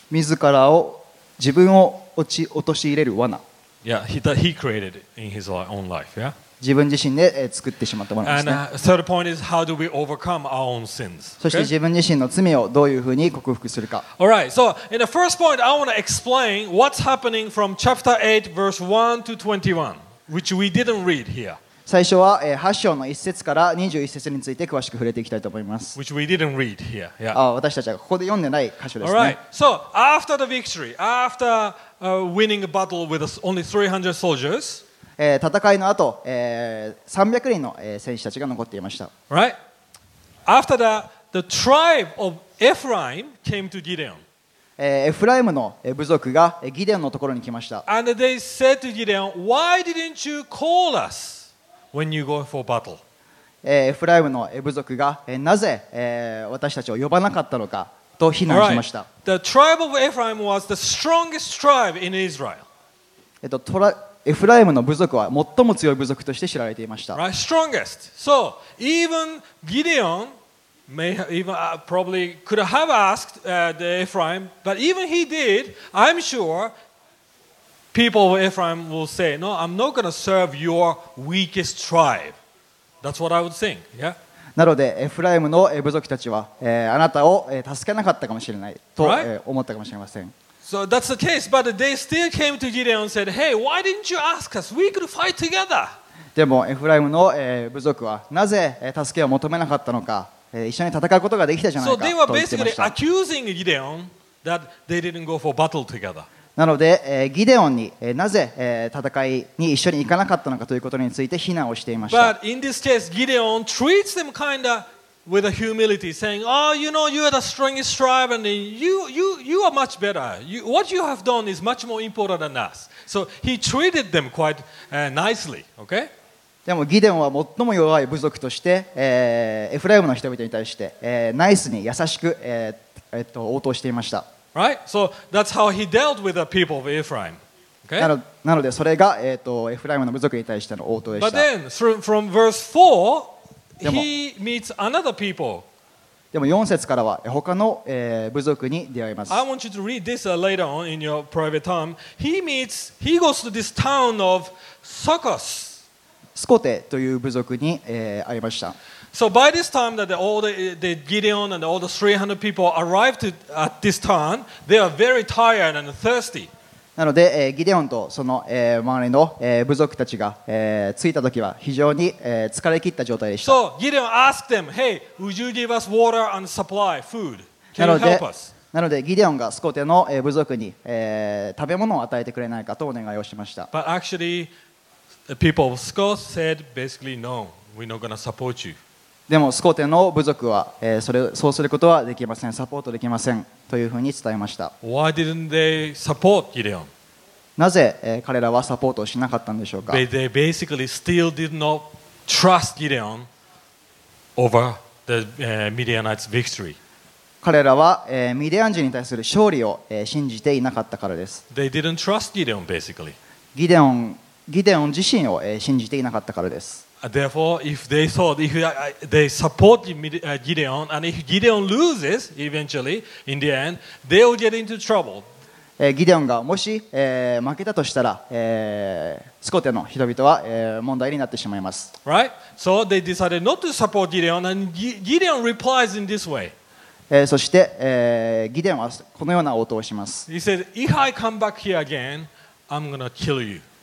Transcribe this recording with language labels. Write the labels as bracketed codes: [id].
[ja] 自らを、自分を落とし入れる罠。 [en] Yeah, that he created in his own life, yeah? [ja] 自分自身で作ってしまったものですね。 [en] And third point is how do we overcome our own sins? [ja] そして自分自身の罪をどういうふうに克服するか。 [en] All right, so in the first point, I want to explain what's happening from chapter 8, verse 1 to 21, which we didn't read here. [ja] 最初は8章の1節から21節について詳しく触れていきたいと思います。 [en] Which we didn't read here. Yeah. [ja] 私たちはここで読んでない箇所ですね。 [en] All right. So, after the victory, after winning a battle with only 300 soldiers, [ja] 戦いの後、300人の戦士たちが残っていました。 [en] Right. After that, the tribe of Ephraim came to Gideon. [ja] エフライムの部族がギデオンのところに来ました。 [en] And they said to Gideon, "Why didn't you call us? When you go for battle. [ja] エフライムの部族がなぜ私たちを呼ばなかったのかと非難しました。 [en] Right. The tribe of Ephraim was the strongest tribe in Israel. [ja] エフライムの部族は最も強い部族として知られていました。 [en] Right. Strongest. So even Gideon may even probably could have asked the Ephraim, but even he did, I'm sure. People of Ephraim will say, "No, I'm not going to serve your weakest tribe." That's what I would think. Yeah. [ja] なので、エフライムの部族たちは、あなたを助けなかったかもしれないと、思ったかもしれません。 [en] So that's the case. But they still came to Gideon and said, "Hey, why didn't you ask us? We could fight together." [ja] でも、エフライムの部族はなぜ助けを求めなかったのか、一緒に戦うことができたじゃないかと言ってました。 [en] So they were basically accusing Gideon that they didn't go for battle together. [ja] なので、ギデオンに、なぜ、戦いに一緒に行かなかったのかということについて非難をしていました。 [en] But in this case, Gideon treats them kinda with a humility, saying, "Oh, you know, you are the strongest tribe, and you are much better. You, what you have done is much more important than us." So he treated them quite nicely. Okay? [ja] でもギデオンは最も弱い部族として、エフライムの人々に対して、ナイスに優しく、応答していました。 [en] Right? So that's how he dealt with the people of Ephraim. Okay? [ja] なのでそれが、エフライムの部族に対しての応答でした。 [en] But then, through, from verse 4, he meets another people. [ja] でも4節からは他の、部族に出会います。 [en] I want you to read this later on in your private time. He goes to this town of Succoth. [ja] スコテという部族に、会いました。 [en] So by this time that the Gideon and all the 300 people arrived at this town, they are very tired and thirsty. [ja] なので、ギデオンとその、周りの、部族たちが、着いた時は非常に、疲れ切った状態でした。 [en] So Gideon asked them, "Hey, would you give us water and supply food? Can you help us?" [ja] なのでギデオンがスコテの、部族に、食べ物を与えてくれないかとお願いをしました。 [en] But actually,The people of Scott said basically, "No, we're not going to support you." [ja] でもスコテの部族は、それそうすることはできません、サポートできませんというふうに伝えました。 [en] Why didn't they support Gideon? [ja] なぜ、彼らはサポートをしなかったんでしょうか。 [en] They basically still did not trust Gideon over the Midianites' victory. [ja] 彼らは、ミディアン人に対する勝利を、信じていなかったからです。 [en] They didn't trust Gideon basically. [ja] ギデオン自身を信じていなかったからです。 [en] Therefore, if they thought if they support Gideon and if Gideon loses eventually in the end, they will get into trouble. [ja] ギデオンがもし負けたとしたら、スコテの人々は問題になってしまいます。 [en] Right? So they decided not to support Gideon, and Gideon replies in this way. [ja] そしてギデオンはこのような応答をします。 [en] He said, "If I come back here again, I'm gonna kill you."